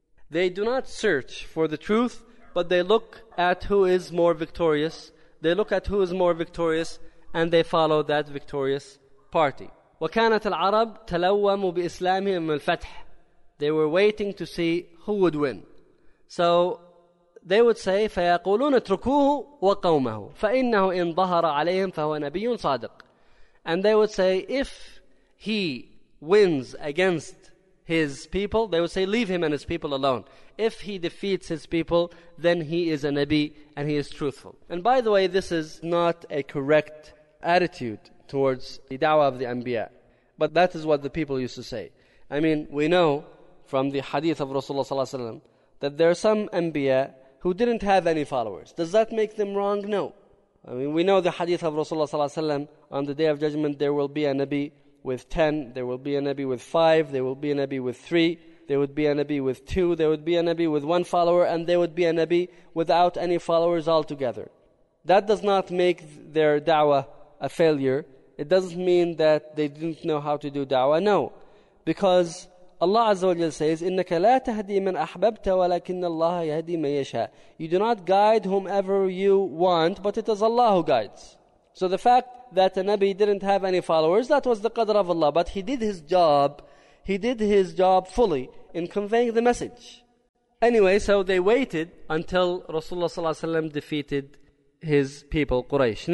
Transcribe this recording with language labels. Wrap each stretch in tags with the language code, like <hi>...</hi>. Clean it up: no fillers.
<en>They do not search for the truth, but they look at who is more victorious. They look at who is more victorious, and they follow that victorious party.</en> <ar>وكانت العرب تلوم بإسلامهم الفتح.</ar> <en>They were waiting to see who would win. So they would say,</en> <ar>فيقولون اتركوه وقومه فإنه إن ظهر عليهم فهو نبي صادق.</ar> <en>And they would say, if he wins against his people, they would say, leave him and his people alone. If he defeats his people, then he is a Nabi and he is truthful. And by the way, this is not a correct attitude towards the da'wah of the Anbiya. But that is what the people used to say. I mean, we know from the hadith of Rasulullah ﷺ that there are some Anbiya who didn't have any followers. Does that make them wrong? No. I mean, we know the hadith of Rasulullah ﷺ, on the Day of Judgment, there will be a Nabi with 10, there will be a Nabi with 5, there will be a Nabi with 3, there would be a Nabi with 2, there would be a Nabi with 1 follower, and there would be a Nabi without any followers altogether. That does not make their da'wah a failure. It doesn't mean that they didn't know how to do da'wah, no. Because Allah Azza wa Jalla says,</en> <ar>إِنَّكَ لَا تَهْدِي مَنْ أَحْبَبْتَ وَلَكِنَّ اللَّهَ يَهْدِي مَنْ يَشَاءُ.</ar> <en>You do not guide whomever you want, but it is Allah who guides. So the fact that a Nabi didn't have any followers, that was the qadr of Allah. But he did his job. He did his job fully in conveying the message. Anyway, so they waited until Rasulullah ﷺ defeated his people, Quraysh.</en>